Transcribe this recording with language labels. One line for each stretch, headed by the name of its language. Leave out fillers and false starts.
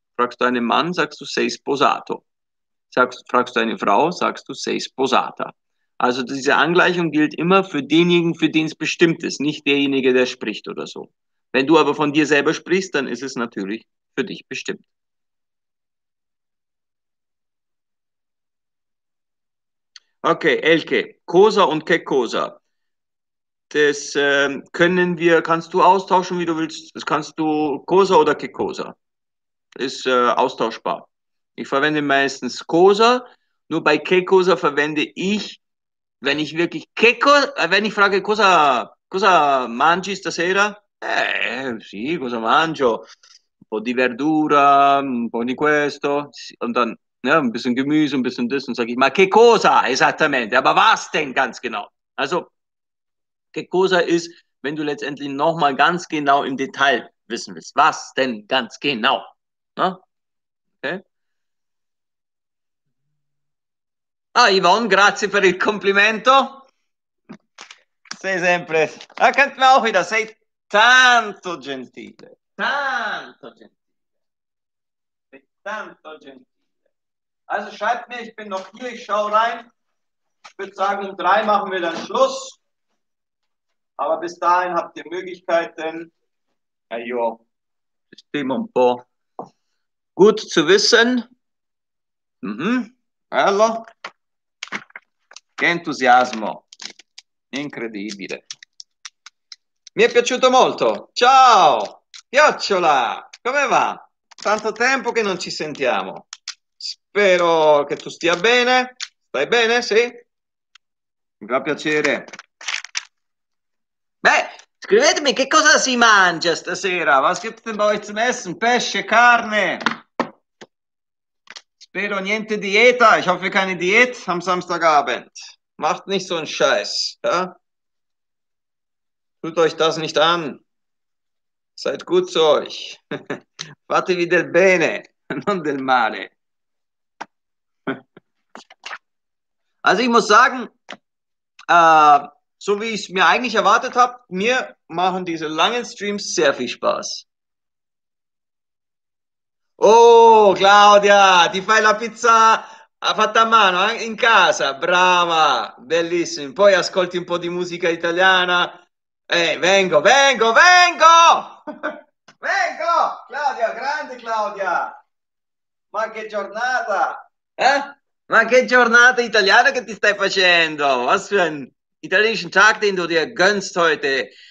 German: Fragst du einen Mann, sagst du
Italian: sei sposato.
German: Fragst du eine Frau, sagst du
Italian: sei sposata.
German: Also diese Angleichung gilt immer für denjenigen, für den es bestimmt ist, nicht derjenige, der spricht oder so. Wenn du aber von dir selber sprichst, dann ist es natürlich für dich bestimmt. Okay, Elke, cosa und che cosa? Das können wir, kannst du austauschen, wie du willst. Das kannst du, cosa oder che cosa? Ist austauschbar. Ich verwende meistens cosa, nur bei che cosa verwende ich, wenn ich wirklich, che cosa, wenn ich frage,
Italian: cosa mangi stasera? Sì, cosa mangio? Un po' di verdura, un po' di questo,
German: und dann, ja, ein bisschen Gemüse, ein bisschen das, und sag ich,
Italian: ma che cosa esattamente?
German: Aber was denn ganz genau? Also, che cosa ist, wenn du letztendlich nochmal ganz genau im Detail wissen willst. Was denn ganz genau? Na? Okay.
Italian: Ah, Yvonne, grazie per il complimento. Sei sempre.
German: Da könnten wir auch wieder.
Italian: Sei tanto gentile. Tanto gentile. Sei tanto gentile.
German: Also schreibt mir, ich bin noch hier, ich schaue rein. Ich würde sagen, um drei machen wir dann Schluss. Aber bis dahin habt ihr Möglichkeiten. Ajo. Stimmt ein paar. Gut zu wissen.
Italian: Bello. Che entusiasmo. Incredibile. Mi è piaciuto molto. Ciao. Chiocciola. Come va? Tanto tempo che non ci sentiamo. Spero che tu stia bene. Stai bene? Sì? Mi fa piacere. Beh, scrivetemi che cosa si mangia stasera.
German: Was gibt es denn bei euch zum Essen?
Italian: Pesce, carne. Spero niente dieta.
German: Ich hoffe keine Diät am Samstagabend. Macht nicht so einen Scheiß. Ja? Tut euch das nicht an. Seid gut zu euch.
Italian: Fatevi del bene, non del male.
German: Also ich muss sagen, so wie ich es mir eigentlich erwartet habe, mir machen diese langen Streams sehr viel Spaß.
Italian: Oh, Claudia, ti fai la pizza fatta a mano in casa. Brava, bellissimo. Poi ascolti un po' di musica italiana. Vengo, vengo, vengo! Vengo, Claudia, grande Claudia. Ma che giornata! Ma che giornata italiana che ti stai facendo?
German: Was für ein italienischen Tag, den du dir gönnst heute.